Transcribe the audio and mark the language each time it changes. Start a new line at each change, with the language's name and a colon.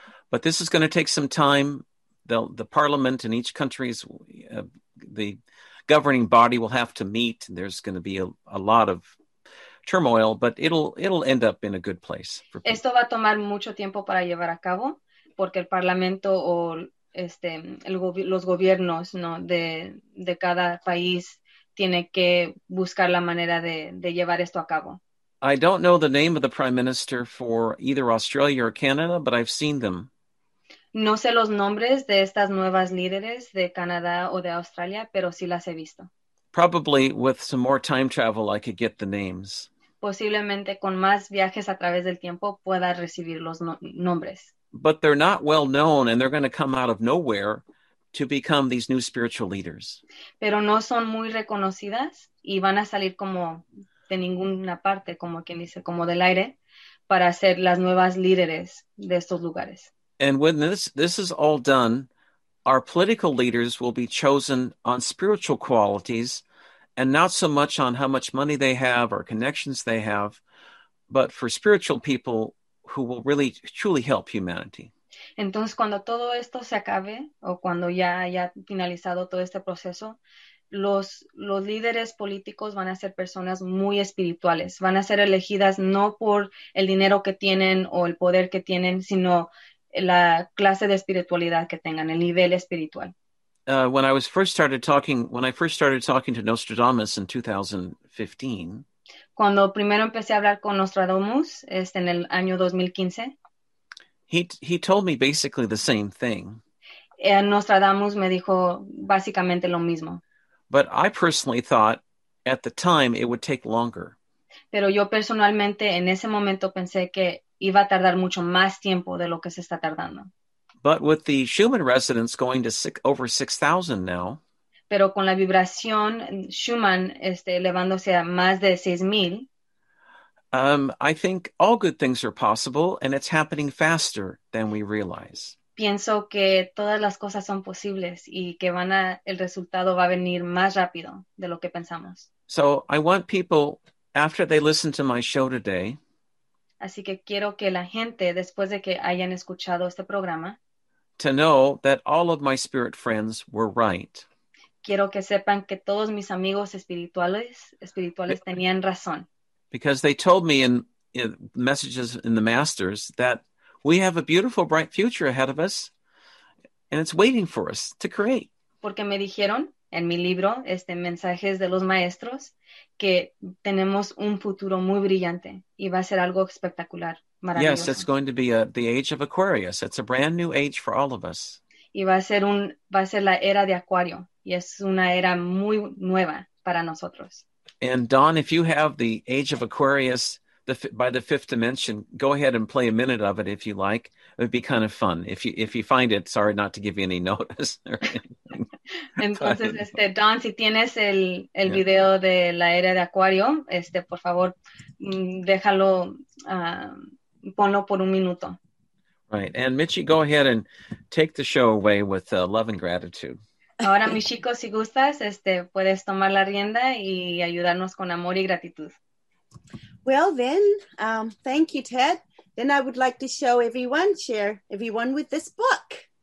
English: But this is going to take some time. The parliament in each country's the governing body will have to meet. There's going to be a lot of turmoil, but it'll end up in a good place.
Spanish: Esto va a tomar mucho tiempo para llevar a cabo, porque el parlamento o los gobiernos, ¿no?, de cada país tiene que buscar la manera de llevar esto a cabo.
English: I don't know the name of the Prime Minister for either Australia or Canada, but I've seen them.
Spanish: No sé los nombres de estas nuevas líderes de Canadá o de Australia, pero sí las he visto.
English: Probably with some more time travel, I could get the names.
Spanish: Posiblemente con más viajes a través del tiempo pueda recibir los nombres.
English: But they're not well known, and they're going to come out of nowhere to become these new spiritual leaders.
Spanish: Pero no son muy reconocidas y van a salir como de ninguna parte, como quien dice, como del aire, para ser las nuevas líderes de estos lugares.
English: And when this is all done, our political leaders will be chosen on spiritual qualities and not so much on how much money they have or connections they have, but for spiritual people who will really truly help humanity.
Spanish: Entonces, cuando todo esto se acabe o cuando ya haya finalizado todo este proceso, los líderes políticos van a ser personas muy espirituales. Van a ser elegidas no por el dinero que tienen o el poder que tienen, sino la clase de espiritualidad que tengan, el nivel espiritual.
English: when I was first started talking, when I first started talking to Nostradamus in 2015.
Spanish: Cuando primero empecé a hablar con Nostradamus, en el año 2015.
English: He told me basically the same thing.
Spanish: Nostradamus me dijo básicamente lo mismo.
English: But I personally thought at the time it would take longer.
Spanish: Pero yo personalmente en ese momento pensé que iba a tardar mucho más tiempo de lo que se está tardando.
English: But with the Schumann residence going to over 6,000 now.
Spanish: Pero con la vibración Schumann elevándose a más de 6,000.
English: I think all good things are possible and it's happening faster than we realize.
Spanish: Pienso que todas las cosas son posibles y que el resultado va a venir más rápido de lo que pensamos.
English: So I want people, after they listen to my show today.
Spanish: Así que quiero que la gente, después de que hayan escuchado este programa.
English: To know that all of my spirit friends were right.
Spanish: Quiero que sepan que todos mis amigos espirituales tenían razón.
English: Because they told me in messages in the Masters that we have a beautiful, bright future ahead of us, and it's waiting for us to create.
Spanish: Porque me dijeron en mi libro, mensajes de los maestros, que tenemos un futuro muy brillante, y va a ser algo espectacular, maravilloso.
English: Yes, it's going to be the age of Aquarius. It's a brand new age for all of us.
Spanish: Y va a ser la era de Acuario, y es una era muy nueva para nosotros.
English: And Don, if you have the Age of Aquarius by the fifth dimension, go ahead and play a minute of it if you like. It would be kind of fun. If you find it, sorry not to give you any notice.
Spanish: Entonces, Don, si tienes el video de la era de Acuario, por favor, déjalo, ponlo por un minuto.
English: Right. And Michi, go ahead and take the show away with love and gratitude.
Spanish: Ahora, mis chicos, si gustas, puedes tomar la rienda y ayudarnos con amor y gratitud.
English: Well, then, thank you, Ted. Then I would like to share everyone with this book.